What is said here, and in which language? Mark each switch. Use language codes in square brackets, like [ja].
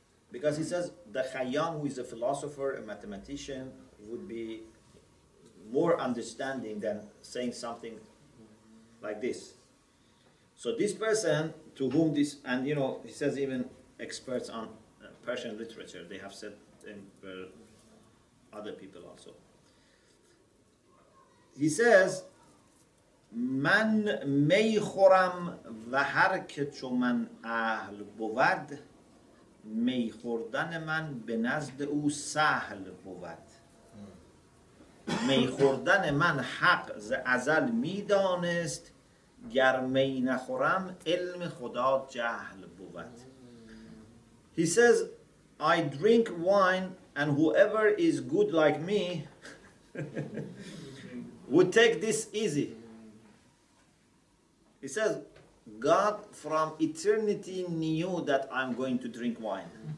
[en] Because he says the Khayyam, who is a philosopher, a mathematician, would be more understanding than saying something like this. So this person to whom this, and you know, he says even experts on Persian literature, they have said, and for other people also. He says, [fa] من می خورم و هر که چو من اهل بود می خوردن من به نزد او سهل بود. می خوردن من حق ز ازل می دانست گر می نخورم علم خدا جهل بود. [en] He says, I drink wine, and whoever is good like me would take this easy. He says, God from eternity knew that I'm going to drink wine.